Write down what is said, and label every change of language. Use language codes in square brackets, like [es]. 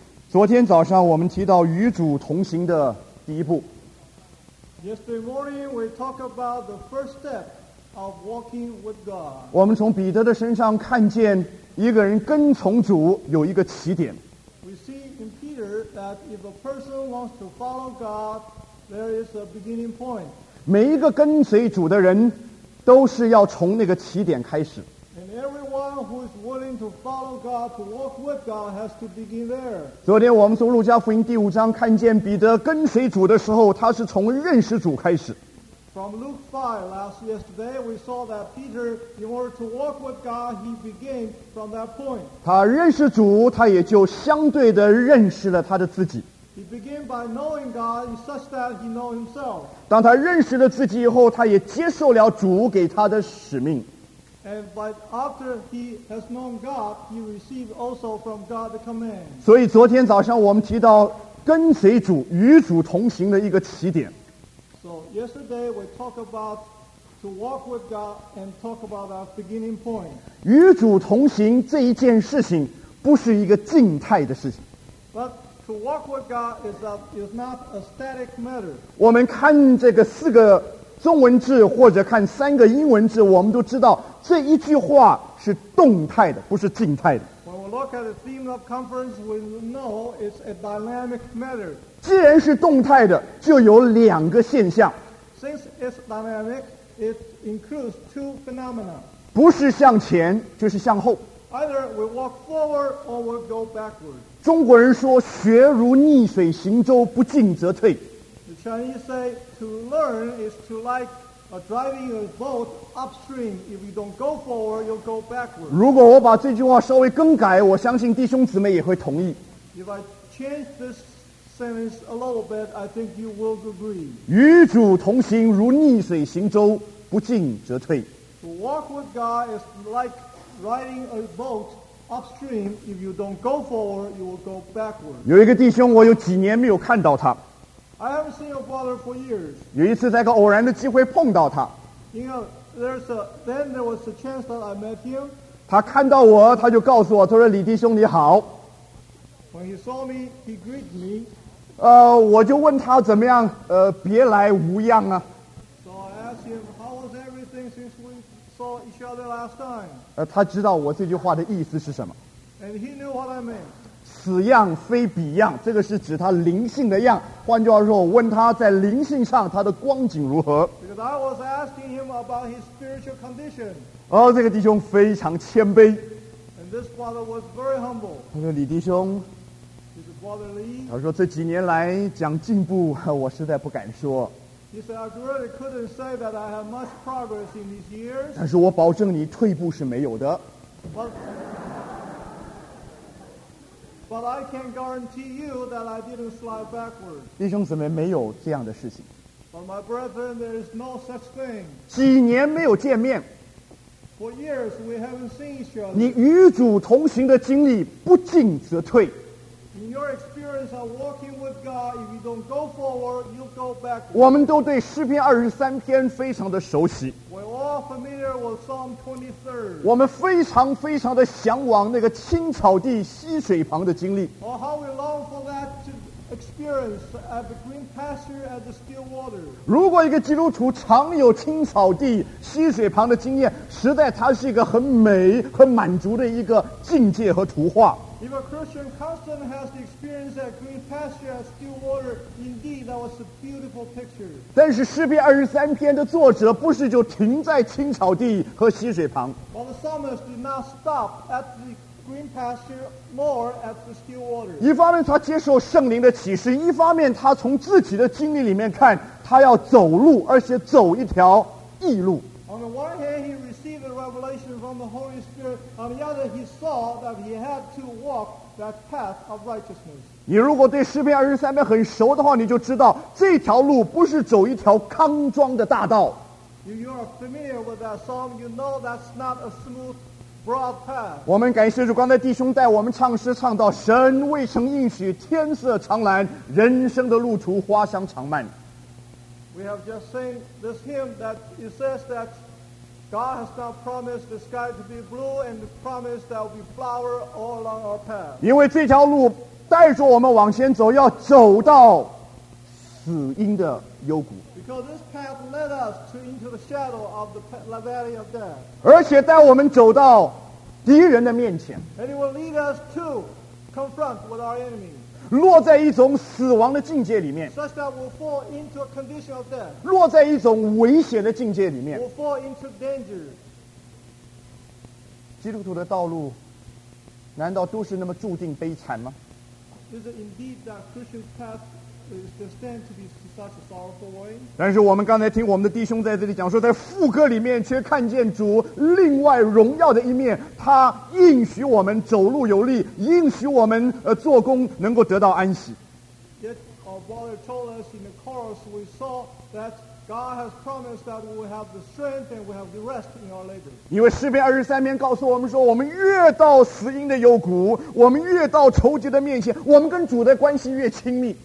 [zh] 昨天早上我们提到与主同行的第一步。 [en] Yesterday morning we talked about the first step of walking with God. [zh] 我们从彼得的身上看见一个人跟从主有一个起点。 [en] We see in Peter that if a person wants to follow God, there is a beginning point. [zh] 每一个跟随主的人都是要从那个起点开始。 [en] And everyone who is willing to follow God, to walk with God, has to begin there. [zh] 昨天我们从路加福音第五章看见彼得跟随主的时候，他是从认识主开始。 [en] From Luke 5, last yesterday, we saw that Peter, in order to walk with God, he began from that point. [zh] 他认识主，他也就相对的认识了他的自己。 [en] He began by knowing God such that he knew himself. [zh] 当他认识了自己以后，他也接受了主给他的使命。 [en] And but after he has known God, he received also from God the command. [zh] 所以昨天早上我们提到跟随主与主同行的一个起点。 [en] So yesterday we talked about to walk with God and talk about our beginning point. [zh] 与主同行这一件事情不是一个静态的事情。 [en] But to walk with God is not a static matter. [zh] 我们看这个四个中文字或者看三个英文字，我们都知道这一句话是动态的，不是静态的。 [en] When we look at the theme of conference, we know it's a dynamic matter. [zh] 既然是动态的，就有两个现象。 [en] Since it's dynamic, it includes two phenomena. [zh] 不是向前，就是向后。 [en] Either we walk forward or we go backward. [zh] 中国人说学如逆水行舟，不进则退。 [en] The Chinese say to learn is to like. Driving a boat upstream, if you don't go forward, you'll go backward. [zh] 如果我把这句话稍微更改，我相信弟兄姊妹也会同意。 [en] If I change this sentence a little bit, I think you will agree. [zh] 与主同行如逆水行舟，不进则退。 [en] To walk with God is like riding a boat upstream. If you don't go forward, you will go backward. [zh] 有一个弟兄，我有几年没有看到他。 [en] I haven't seen your brother for years. [zh] 有一次在个偶然的机会碰到他。 [en] You know, there was a chance that I met him. [zh] 他看到我，他就告诉我，他说：“李弟兄，你好。” [en] When he saw me, he greeted me. [zh] 我就问他怎么样？别来无恙啊。 [en] So I asked him how was everything since we saw each other last time. [zh] 他知道我这句话的意思是什么。 [en] And he knew what I meant. [zh] 此样非彼样，这个是指他灵性的样。换句话说，我问他在灵性上他的光景如何。 [en] Because I was asking him about his spiritual condition. [zh] 这个弟兄非常谦卑。 [en] And this brother was very humble. [zh] 他说：“李弟兄。” [en] His brother Lee. [zh] 他说：“这几年来讲进步，我实在不敢说。” [en] He said, "I really couldn't say that I have much progress in these years." [zh] 但是我保证你退步是没有的。 [en] But I can guarantee you that I didn't slide backwards. [zh] 弟兄姊妹，没有这样的事情。 [en] But my brethren, there is no such thing. [zh] 几年没有见面。 [en] For years we haven't seen each other. [zh] 你与主同行的经历不进则退。 [en] In your experience of walking with God, if you don't go forward, you go backwards. [zh] 我们都对诗篇二十三篇非常的熟悉。 [en] We're all familiar with Psalm 23. [zh] 我们非常非常的向往那个青草地溪水旁的经历。 [en] Oh, how we long for that to experience at the green pasture at the still water. [zh] 如果一个基督徒常有青草地溪水旁的经验，实在它是一个很美很满足的一个境界和图画。 [en] If a Christian constantly has the experience at green pasture at still water, indeed that was a beautiful picture. [zh] 但是诗篇二十三篇的作者不是就停在青草地和溪水旁。 [en] But the psalmist did not stop at the green pasture nor at the still water. [zh] 一方面他接受圣灵的启示，一方面他从自己的经历里面看，他要走路，而且走一条义路。 [en] On the one hand, he received a revelation from the Holy Spirit. On the other, he saw that he had to walk that path of righteousness. [zh] 你如果对诗篇二十三篇很熟的话，你就知道这条路不是走一条康庄的大道。 [en] If you are familiar with that psalm, you know that's not a smooth, broad path. [zh] 我们感谢主，刚才弟兄带我们唱诗，唱到神未曾应许，天色常蓝，人生的路途花香长漫。 [en] We have just seen this hymn that it says that God has not promised the sky to be blue and promised there will be flower all along our path. Because this [zh] 条路带着我们往前走，要走到死荫的幽谷。 [en] Because this path led us to into the shadow of the valley of death. [zh] 而且带我们走到敌人的面前。 [en] And it will lead us to confront with our enemies. [zh] 落在一种死亡的境界里面。 [en] Such that we'll fall into a condition of death. [zh] 落在一种危险的境界里面。 [en] We'll fall into danger. [zh] 基督徒的道路难道都是那么注定悲惨吗？ [en] Is it indeed that Christian's path is destined to be such a sorrowful way? [zh] 但是我们刚才听我们的弟兄在这里讲说，在副歌里面却看见主另外荣耀的一面，他应许我们走路有力，应许我们做工能够得到安息。 [en] Yet our brother told us in the chorus we saw that God has promised that we will have the strength and we will have the rest in our labor. [zh] 因为诗篇二十三篇告诉我们说，我们越到死荫的幽谷，我们越到仇敌的面前，我们跟主的关系越亲密。